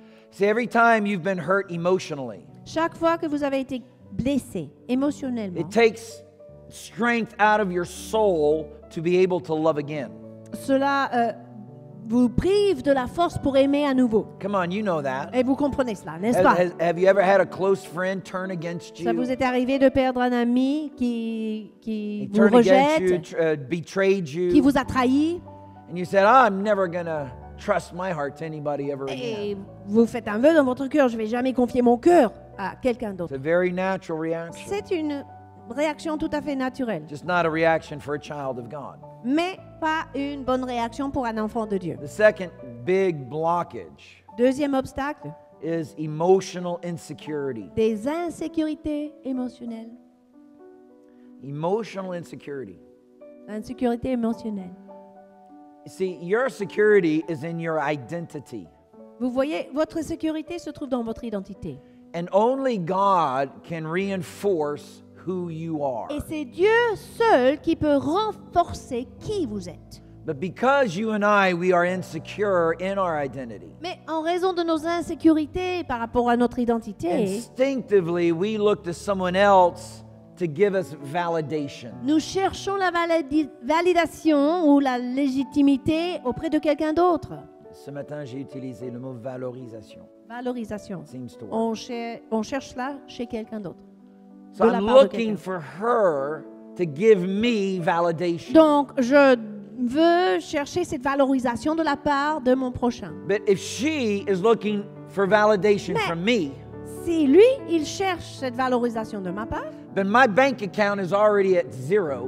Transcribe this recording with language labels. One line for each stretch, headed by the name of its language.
English: See, every time you've been hurt emotionally.
French: Chaque fois que vous avez été blessé émotionnellement.
English: It takes strength out of your soul to be able to love again.
French: Cela vous prive de la force pour aimer à nouveau.
English: Come on, you know that.
French: Et vous comprenez cela, n'est-ce pas?
English: Have you ever had a close friend turn against you?
French: Ça vous est arrivé de perdre un ami qui
English: he
French: vous rejette,
English: you, betrayed you,
French: qui vous a trahi?
English: And you said, oh, I'm never gonna trust my heart to anybody ever
French: et
English: again.
French: Vous faites un vœu dans votre cœur, je vais jamais confier mon cœur à quelqu'un d'autre.
English: It's a very natural reaction.
French: C'est une réaction tout à fait naturelle.
English: Just not a reaction for a child of God.
French: Mais pas une bonne réaction pour un enfant de Dieu.
English: The second big blockage.
French: Deuxième obstacle.
English: Is emotional insecurity.
French: Des insécurités émotionnelles.
English: Emotional insecurity.
French: L'insécurité émotionnelle.
English: See, your security is in your identity.
French: Vous voyez, votre sécurité se trouve dans votre identité.
English: And only God can reinforce who you are.
French: Et c'est Dieu seul qui peut renforcer qui vous êtes.
English: But because you and I, we are insecure in our identity.
French: Mais en raison de nos insécurités par rapport à notre identité,
English: instinctively we look to someone else to give us validation.
French: Nous cherchons la validation ou la légitimité auprès de quelqu'un d'autre. Ce matin, j'ai utilisé le mot valorisation. Valorisation.
English: Seems to work.
French: On cherche cela chez quelqu'un d'autre.
English: So I'm looking for her to give me validation.
French: Donc, je veux chercher cette valorisation de la part de mon prochain.
English: But if she is looking for validation
French: mais
English: from me,
French: si lui, il cherche cette valorisation de ma part,
English: then my bank account is already at zero.